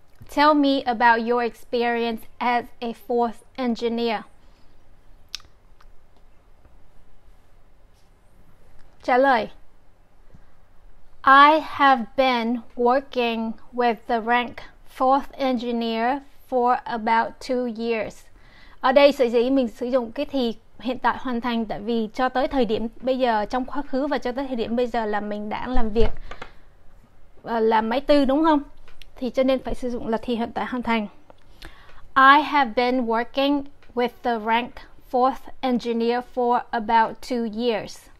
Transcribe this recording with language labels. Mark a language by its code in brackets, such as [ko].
[en] Tell me about your experience as a Ford engineer. [vi] Trả lời. [en] I have been working with the rank Ford engineer for about 2 years. [vi] Ở đây sở dĩ mình sử dụng cái thì hiện tại hoàn thành tại vì cho tới thời điểm bây giờ trong quá khứ và cho tới thời điểm bây giờ là mình đã làm việc làm máy tư đúng không? Thì cho nên phải sử dụng là thì hiện tại hoàn thành. [en] I have been working with the rank fourth engineer for about 2 years.